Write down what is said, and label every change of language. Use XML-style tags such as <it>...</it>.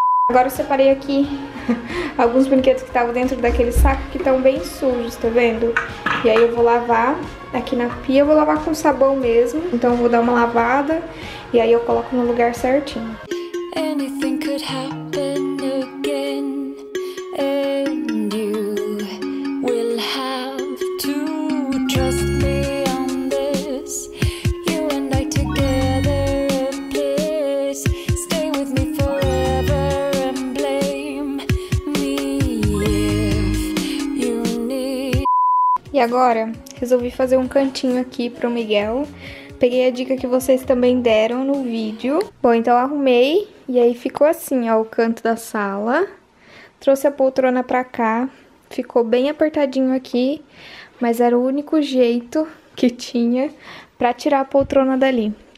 <pt>Agora eu separei aqui alguns brinquedos que estavam dentro daquele saco que estão bem sujos, tá vendo? E aí eu vou lavar aqui na pia, eu vou lavar com sabão mesmo. Então eu vou dar uma lavada e aí eu coloco no lugar certinho.</pt> <en>Anything could happen again, and you will have to trust me on this. You and I together, please stay with me forever and blame me if you need.</en> <pt>E agora, resolvi fazer um cantinho aqui pro Miguel. Peguei a dica que vocês também deram no vídeo. Bom, então eu arrumei. E aí ficou assim, ó, o canto da sala. Trouxe a poltrona pra cá. Ficou bem apertadinho aqui. Mas era o único jeito que tinha pra tirar a poltrona dali.</pt>